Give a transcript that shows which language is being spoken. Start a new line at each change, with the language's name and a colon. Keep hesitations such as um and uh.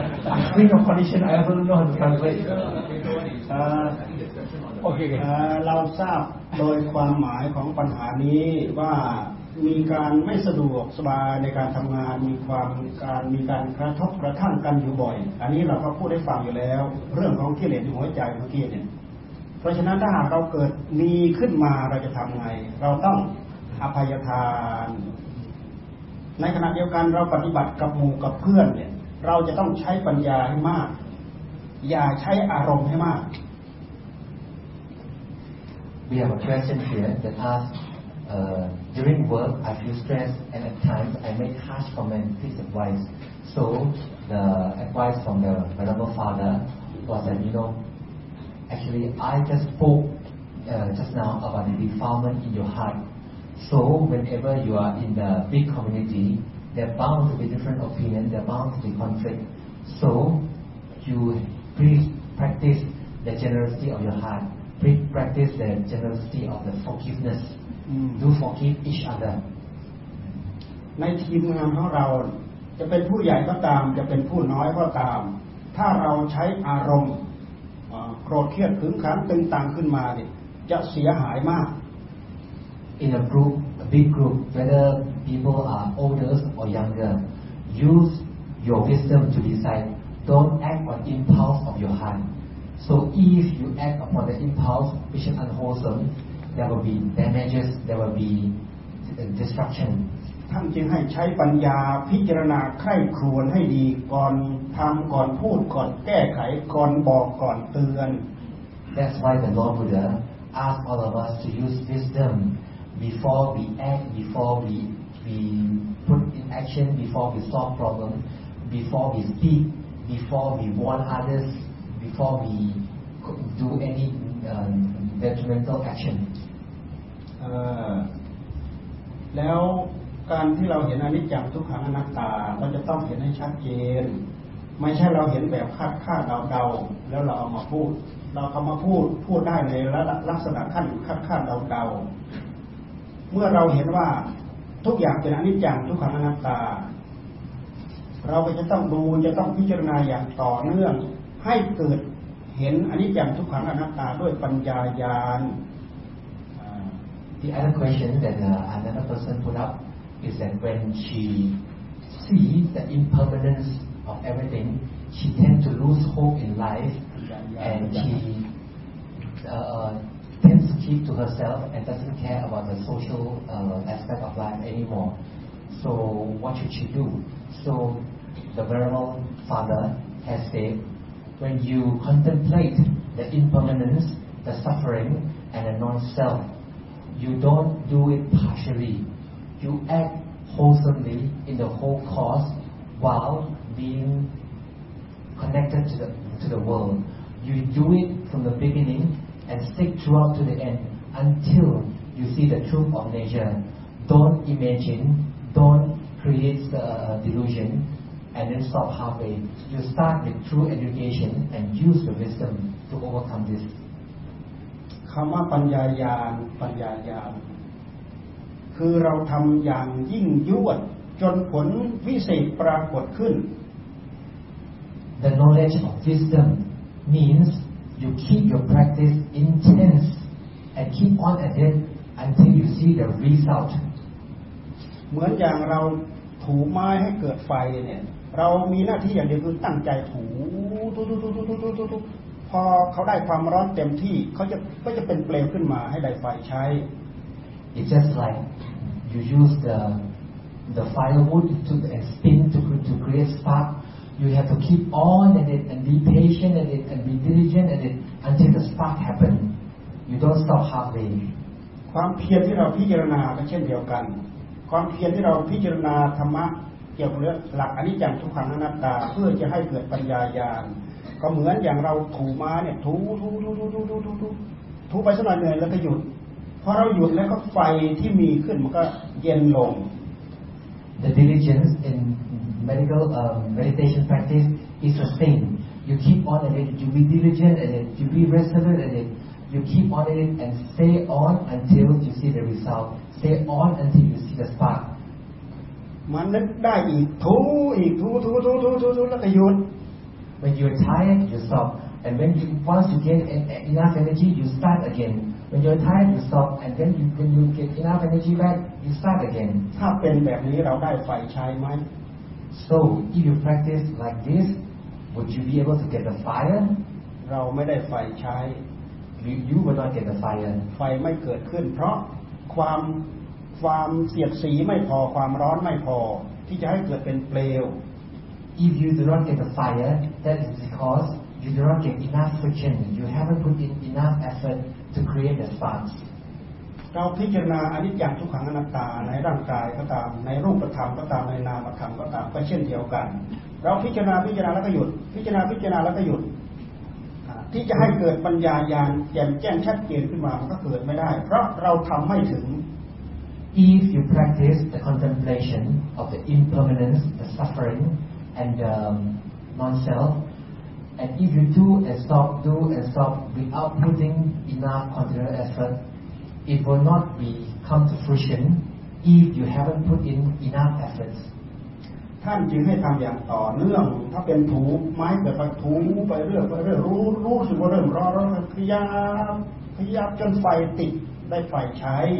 English: I think of condition, I also don't know how to translate.
Thai: เอ่อเอ่อเราทราบโดยความหมายของปัญหานี้ว่ามีการไม่สะดวกสบายในการทำงาน มีความการมีการกระทบกระทั่งกันอยู่บ่อย อันนี้เราก็พูดได้ฟังอยู่แล้ว เรื่องของกิเลสในหัวใจเมื่อกี้เนี่ย เพราะฉะนั้นถ้าหากเราเกิดมีขึ้นมาเราจะทำไง เราต้องอภัยทาน ในขณะเดียวกันเราปฏิบัติกับหมู่กับเพื่อนเนี่ย เราจะต้องใช้ปัญญาให้มาก อย่าใช้อารมณ์ให้มาก
English: We have a question here that asks, uh, during work I feel stressed and at times I make harsh comments, please advise. So the advice from the Venerable Father was that, you know, actually I just spoke uh, just now about the defilement in your heart. So whenever you are in the big community, there are bound to be different opinions, there are bound to be conflict. So you please practice the generosity of your heart. Please practice the generosity of the forgiveness. Mm. Do forgive each other.
Thai: ในทีมงานของเรา จะเป็นผู้ใหญ่ก็ตาม จะเป็นผู้น้อยก็ตาม ถ้าเราใช้อารมณ์เอ่อโกรธเครียดขึงขังตึงตังขึ้นมาเนี่ยจะเสียหายมาก
English: In a group, a big group, whether people are older or younger, use your wisdom to decide. Don't act on impulse of your heart. So if you act upon the impulse, which is unwholesome, there will be damages, there will be uh, destruction.
Thai: ท่านจึงให้ใช้ปัญญาพิจารณาใคร่ครวญให้ดีก่อนทำก่อนพูดก่อนแก้ไขก่อนบอกก่อนเตือน
English: That's why the Lord Buddha asked all of us to use wisdom before we act, before we we put in action, before we solve problems, before we speak, before we warn others, before we co- do any um, detrimental action.
Thai: เอ่อแล้วการที่เราเห็นอนิจจังทุกขังอนัตตาเราจะต้องเห็นให้ชัดเจน ไม่ใช่เราเห็นแบบคาดคาดเดาเดาๆแล้วเราเอามาพูด เราเอามาพูดพูดได้ในระดับลักษณะขั้นคาดคาดเดาเดาๆเมื่อเราเห็นว่าทุกอย่างเป็นอนิจจังทุกขังอนัตตา เราก็จะต้องดูจะต้องพิจารณาอย่างต่อเนื่อง ให้เกิดเห็นอนิจจังทุกขังอนัตตาด้วยปัญญาญาณ
English: The other question that uh, another person put up is that when she sees the impermanence of everything, she tends to lose hope in life and she uh, uh, tends to keep to herself and doesn't care about the social uh, aspect of life anymore. So what should she do? So the venerable father has said when you contemplate the impermanence, the suffering, and the non-self, you don't do it partially. You act wholesomely in the whole cause while being connected to the, to the world. You do it from the beginning and stick throughout to the end until you see the truth of nature. Don't imagine, don't create the delusion, and then stop halfway. You start with true education and use the wisdom to overcome this.
Thai: คำว่าปัญญายาณปัญญายาณคือเราทำอย่างยิ่งยวด จนผลวิเศษปรากฏขึ้น
English: The knowledge of wisdom means you keep your practice intense and keep on at it until you see the result.
Thai: เหมือนอย่างเราถูไม้ให้เกิดไฟเนี่ย เรามีหน้าที่อย่างเดียวคือตั้งใจถูทุทุทุทุทุทุทุทุพอเขาได้ความร้อนเต็มที่เขาจะก็จะเป็นเปลวขึ้นมาให้ได้ไฟใช้
English: It's just like you use the the firewood to and spin to cre- to create spark. You have to keep on at it and be patient at it and be diligent at it until the spark happens. You don't stop halfway.
Thai: ความเพียรที่เราพิจารณาก็เช่นเดียวกัน ความเพียรที่เราพิจารณาธรรมะเกี่ยวกับเรื่องหลักอนิจจังทุกขังอนัตตา เพื่อจะให้เกิดปัญญาญาณก็เหมือนอย่างเราถูม้าเนี่ยถูถูถูถูถูถูถูถูถูไปสักหน่อยเหนื่อยแล้วก็หยุดพอเราหยุดแล้วก็ไฟที่มีขึ้นมันก็เย็นลง
English: The diligence in medical um, meditation practice is the same. You keep on at it. You be diligent at it. You be resolute at it. You keep on at it and stay on until you see the result. Stay on until you see the spark.
Thai: มันนึกได้อีกถูอีกถูถูถูถูถูถูแล้วก็หยุด
English: When you're tired, you stop. And when you once you get en- en- enough energy, you start again. When you're tired, you stop. And when you when you get enough energy back, you start again.
Thai: ถ้าเป็นแบบนี้เราได้ไฟใช้ไหม
English: So if you practice like this, would you be able to get the fire?
Thai: เราไม่ได้ไฟใช้
English: You, you will not get the fire
Thai: ไฟไม่เกิดขึ้น เพราะความความเสียดสีไม่พอความร้อนไม่พอ ที่จะให้เกิดเป็นเปลว
English: If you do not get the fire, that is because you do not get enough friction. You haven't put in enough effort to create the sparks.
Thai: เราพิจารณาอนิจจังทุกขังอนัตตาในร่างกายก็ตาม ในรูปธรรมก็ตามในนามธรรมก็ตามก็เช่นเดียวกัน เราพิจารณาพิจารณาแล้วก็หยุด พิจารณาพิจารณาแล้วก็หยุดอ่าที่จะให้เกิดปัญญาญาณแจ่มแจ้งชัดเจนขึ้นมามันก็เกิดไม่ได้ เพราะเราทำไม่ถึง
English: If you practice the contemplation of the impermanence, the suffering, and um, non-self, and if you do and stop, do and stop without putting enough continual effort, it will not be come to fruition if you haven't put in enough efforts.
Thai: ท่านจึงให้ทำอย่างต่อเนื่อง ถ้าเป็นถูไม้เกิดไปถูไปเรื่อยไปเรื่อยรู้รู้สึกว่าเริ่มร้อนร้อนพยายามพยายามจนไฟติดได้ไฟใช้